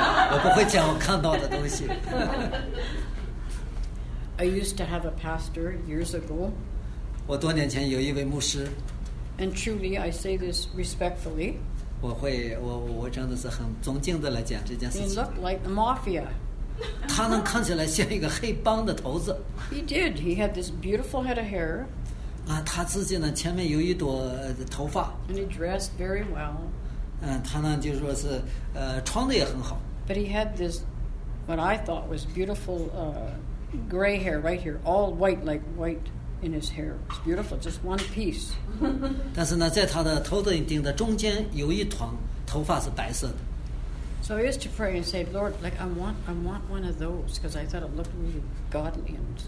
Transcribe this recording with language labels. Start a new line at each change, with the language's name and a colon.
Chinese: 我不会讲我看到的东西。
English: I used to have a pastor years ago.
Chinese: 我多年前有一位牧师。
English: And truly, I say this respectfully.
Chinese: 我真的是很尊敬的来讲这件事情。
English: He looked like the mafia.
Chinese: 他能看起来像一个黑帮的头子。
English: He did. He had this beautiful head of hair.
Chinese: 啊，他自己呢，前面有一朵头发。
English: And he dressed very well.
Chinese: 他呢就说是穿的也很好。
English: But he had this, what I thought was beautiful. Gray hair right here, all white, like white in his hair. It's beautiful, just one piece.
Chinese: 但是呢，在他的头顶的中间有一团头发是白色的。
English: So I used to pray and say, Lord, like I want one of those, because I thought it looked really godly.